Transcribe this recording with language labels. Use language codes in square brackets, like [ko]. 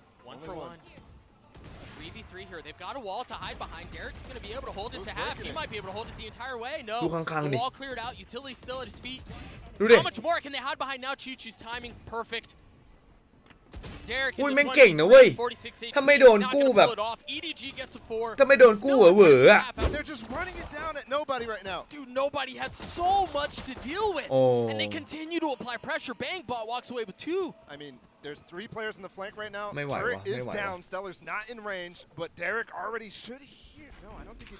[en] One for one 3v3 here they've got a wall to hide behind Derek's gonna be able to hold it to half he might be able to hold it the entire way no [th] ดูข้างๆดิ [en] wall cleared out utility still at his feet [th] ดูดิ [en] How much more can they hide behind now Chichu's timing perfect Derek [th] อุ้ยแม่งเก่งนะเว้ยถ้าไม่โดนกู้แบบ [en] EDG gets a 4 [th] ถ้าไม่โดนกู้เหวออ่ะ [en] They're just running it down at nobody right now Dude nobody had so much to deal with and they continue to apply pressure Bang bot walks away with 2 I mean there's 3 players in the flank right now [th] ไม่ไหวว่ะ [en] is down Stellar's not in range but Derek already should hear No I don't think he does